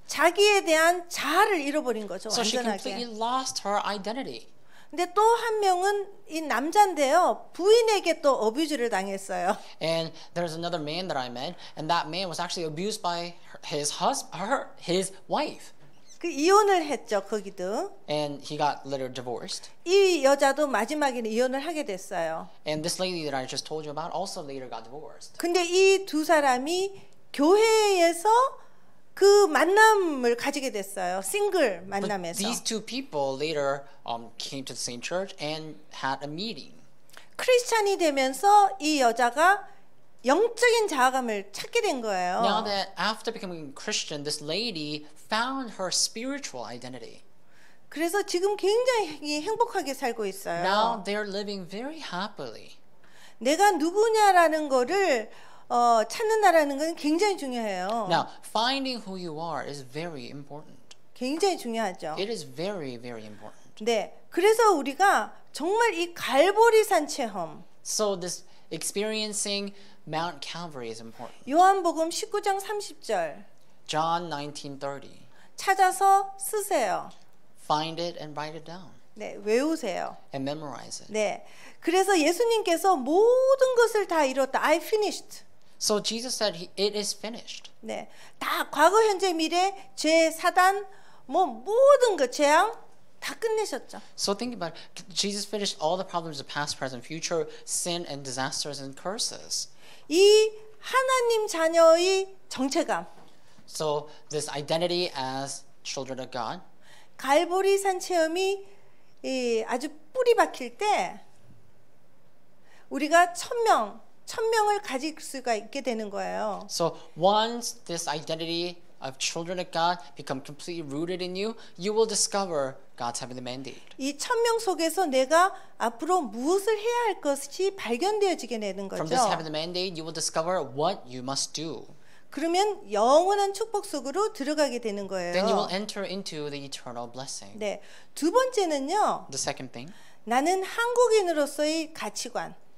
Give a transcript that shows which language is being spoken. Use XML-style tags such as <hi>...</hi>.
<ko>자기에 대한 자아를 잃어버린 거죠.</ko> <en>So</en> <ko>완전하게.</ko> <en>She completely lost her identity.</en> <ko>근데 또 한 명은 이 남자인데요. 부인에게 또 어뷰즈를 당했어요.</ko> <en>And there's another man that I met and that man was actually abused by his his wife.</en> <ko>그 이혼을 했죠, 거기도.</ko> <en>And he got later divorced.</en> <ko>이 여자도 마지막에는 이혼을 하게 됐어요.</ko> <en>And this lady that I just told you about also later got divorced.</en> <ko>근데 이 두 사람이 교회에서 그 만남을 가지게 됐어요. 싱글 만남에서.</ko> <en>But these two people later came to the same church and had a meeting.</en> <ko>크리스찬이 되면서 이 여자가 영적인 자아감을 찾게 된 거예요.</ko> <en>Now that after becoming Christian, this lady found her spiritual identity.</en> <ko>그래서 지금 굉장히 행복하게 살고 있어요.</ko> <en>Now they're living very happily.</en> <ko>내가 누구냐라는 거를 찾는다라는 건 굉장히 중요해요.</ko> <en>Now finding who you are is very important.</en> <ko>굉장히 중요하죠.</ko> <en>It is very, very important.</en> <ko>네, 그래서 우리가 정말 이 갈보리산 체험.</ko> <en>So this experiencing Mount Calvary is important.</en> <ko>요한복음 19장 30절.</ko> <en>John 19:30.</en> <ko>찾아서 쓰세요.</ko> <en>Find it and write it down.</en> <ko>네, 외우세요.</ko> <en>And memorize it.</en> <ko>네, 그래서 예수님께서 모든 것을 다 이뤘다.</ko> <en>I finished. So Jesus said, "It is finished."</en> <ko>네, 다 과거, 현재, 미래, 죄, 사단, 뭐 모든 것, 재앙 다 끝내셨죠.</ko> <en>So think about it. Jesus finished all the problems of past, present, future, sin and disasters and curses.</en> <ko>이 하나님 자녀의 정체감.</ko> <en>So this identity as children of God.</en> <ko>갈보리 산 체험이 아주 뿌리 박힐 때 우리가 천명을 가질 수가 있게 되는 거예요.</ko> <en>So once this identity of children of God become completely rooted in you, you will discover God's heavenly mandate.</en> <ko>이 천명 속에서 내가 앞으로 무엇을 해야 할 것이 발견되어지게 되는 거죠.</ko> <en>From this heavenly mandate, you will discover what you must do.</en> <ko>그러면 영원한 축복 속으로 들어가게 되는 거예요.</ko> <en>Then you will enter into the eternal blessing.</en> <ko>네, 두 번째는요.</ko> <en>The second thing.</en> <ko>나는 한국인으로서의 가치관.</ko>